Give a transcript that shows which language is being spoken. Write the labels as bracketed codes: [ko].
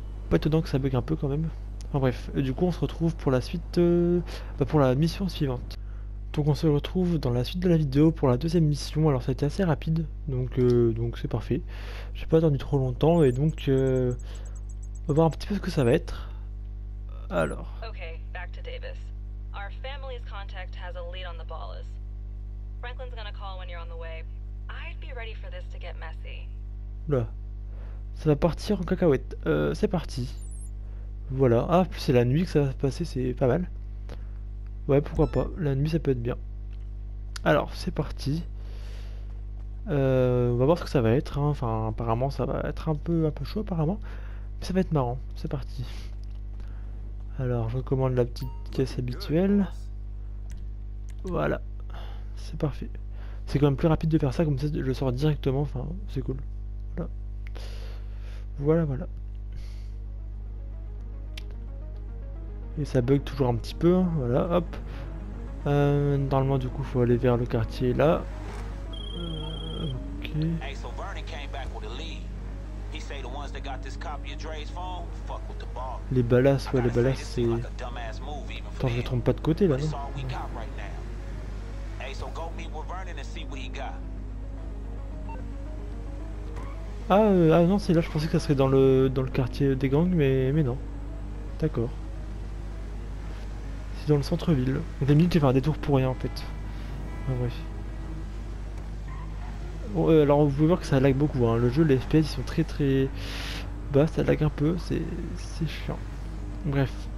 [fr] Pas étonnant que ça bug un peu quand même. Enfin bref, et du coup on se retrouve pour la suite, pour la mission suivante. Donc on se retrouve dans la suite de la vidéo pour la deuxième mission. Alors ça a été assez rapide, donc c'est parfait. J'ai pas attendu trop longtemps et donc on va voir un petit peu ce que ça va être. Alors. [en] Ok, back to Davis. Our family's contact has a lead on the ballas. Franklin's gonna call when you're on the way. I'd be ready for this to get messy. [fr] Là. Ça va partir en cacahuète. C'est parti. Voilà. Ah, plus c'est la nuit que ça va se passer, c'est pas mal. Ouais, pourquoi pas. La nuit, ça peut être bien. Alors, c'est parti. On va voir ce que ça va être, hein. Enfin, apparemment, ça va être un peu chaud, apparemment. Mais ça va être marrant. C'est parti. Alors, je commande la petite caisse habituelle. Voilà. C'est parfait. C'est quand même plus rapide de faire ça, comme ça, je le sors directement. Enfin, c'est cool. Voilà. Et ça bug toujours un petit peu, hein. Voilà, hop. Normalement, du coup, faut aller vers le quartier là. [en] Hey, so Vernon came back with a lead. He say the ones that got this copy of Dre's phone fuck with the ball. [fr] Les balas, ouais, les balas, c'est. [en] Like a dumbass move even for [fr] Attends, je me trompe pas de côté là, [en] but [fr] non? [en] It's all we got right now. Hey, so go meet with Vernon and see what he got. [fr] Ah non, c'est là, je pensais que ça serait dans le quartier des gangs, mais non. D'accord. C'est dans le centre-ville. D'habitude, je vais faire un détour pour rien en fait. Ah, bref. Bon, alors vous pouvez voir que ça lag beaucoup, hein. Le jeu, les FPS, ils sont très très bas, ça lag un peu, c'est chiant. Bref.